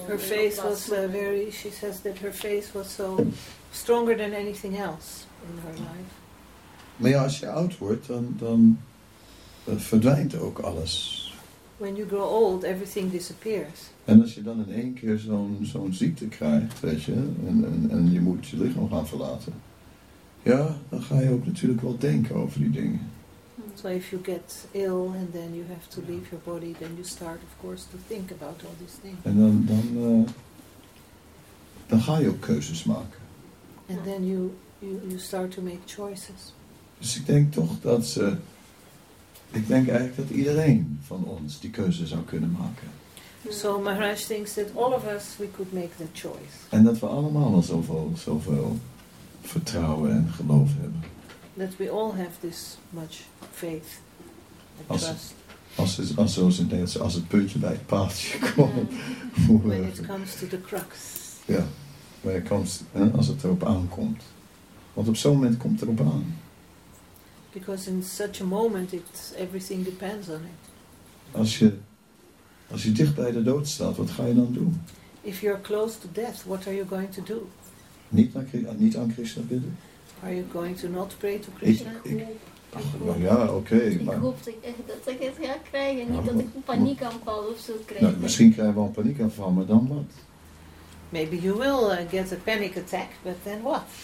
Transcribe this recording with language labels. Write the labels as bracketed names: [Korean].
[English] Her face was very, she says that her face was so stronger than anything else in her life. [Dutch] Maar ja, als je oud wordt, dan verdwijnt ook alles. [English] When you grow old, everything disappears. [Dutch] En als je dan in één keer zo'n ziekte krijgt, weet je, en je moet je lichaam gaan verlaten. Ja, dan ga je ook natuurlijk wel denken over die dingen. [English] So if you get ill and then you have to leave your body, then you start, of course, to think about all these things. [Dutch] En dan ga je ook keuzes maken. [English] And then you start to make choices. [Dutch] Dus ik denk toch dat ze, ik denk eigenlijk dat iedereen van ons die keuze zou kunnen maken. [English] So Maharaj thinks that all of us, we could make the choice. [Dutch] En dat we allemaal al zoveel vertrouwen en geloof hebben. [English] That we all have this much faith and trust. [Dutch] Als het puntje bij het paaltje komt. [English] Yeah. When it comes to the crux. [Dutch] Ja, als het erop aankomt. Want op zo'n moment komt het erop aan. [English] Because in such a moment everything depends on it. [Dutch] Als je dicht bij de dood staat, wat ga je dan doen? [English] If you're close to death, what are you going to do? [Dutch] Niet aan Krishna bidden. [English] Are you going to not pray to Krishna? [Dutch] Ik hoop dat ik het ga krijgen. Niet dat ik een paniekaanval of zo krijg. Nou, misschien krijgen we een paniekaanval, maar dan wat? [English] Maybe you will get a panic attack, but then what?